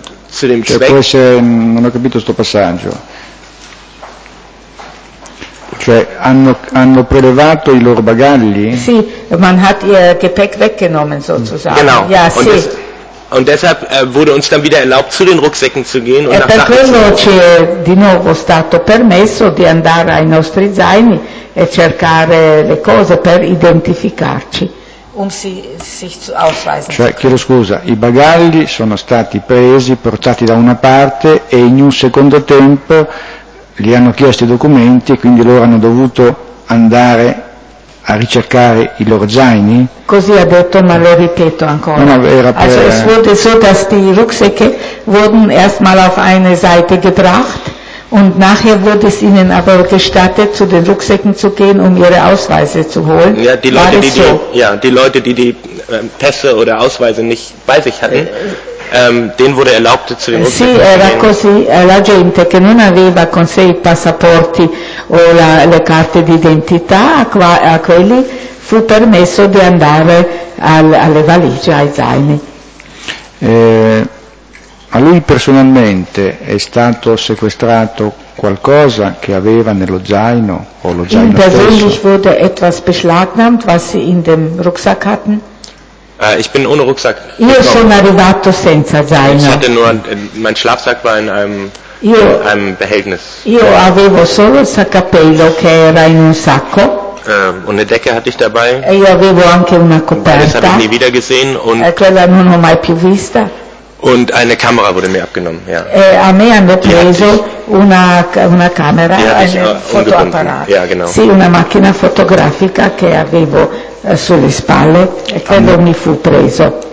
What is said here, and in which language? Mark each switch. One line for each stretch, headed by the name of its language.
Italian: Cioè, non ho capito questo passaggio. Cioè, hanno prelevato i loro bagagli?
German: Sì, man hat ihr Gepäck weggenommen, sozusagen. Genau. Ja, und
Italian: sì.
German: Und deshalb wurde uns dann wieder erlaubt, zu den Rucksäcken zu gehen und
Italian: e
German: nach Sachen zu suchen.
Italian: E per quello c'è di nuovo stato permesso di andare ai nostri zaini e cercare le cose per identificarci. Cioè, chiedo scusa, i bagagli sono stati presi, portati da una parte e in un secondo tempo gli hanno chiesto i documenti e quindi loro hanno dovuto andare a ricercare i loro zaini? Così ha detto, ma lo ripeto ancora. No, era per...
German: Also es wurde so, dass die Rucksäcke wurden erstmal auf eine Seite gebracht und nachher wurde es ihnen aber gestattet, zu den Rucksäcken zu gehen, um ihre Ausweise zu holen. Ja, die Leute, die Pässe oder Ausweise nicht bei sich hatten, denen wurde erlaubt, zu den Rucksäcken zu gehen.
Italian: Sì, era così, la gente che non aveva con sé i passaporti o le carte d'identità, a quelli fu permesso di andare alle valigie, ai zaini. A lui personalmente è stato sequestrato qualcosa che aveva nello zaino o lo zaino stesso?
German: In persönlich wurde etwas beschlagnahmt, was sie in dem Rucksack hatten. Ich bin ohne Rucksack.
Italian: Io sono arrivato senza zaino.
German: Ich hatte nur, mein Schlafsack war in einem Behältnis.
Italian: Io avevo solo il cappello che era in un sacco.
German: Und eine Decke hatte ich dabei.
Italian: E io avevo anche una coperta.
German: Das habe ich nie wieder gesehen. Und
Italian: quella non ho mai più vista.
German: Und eine Kamera wurde mir abgenommen, ja.
Italian: A me hanno preso una camera, un fotoapparato.
German: Ja, genau.
Italian: Sì, una macchina fotografica che avevo sulle spalle e quello mi fu preso.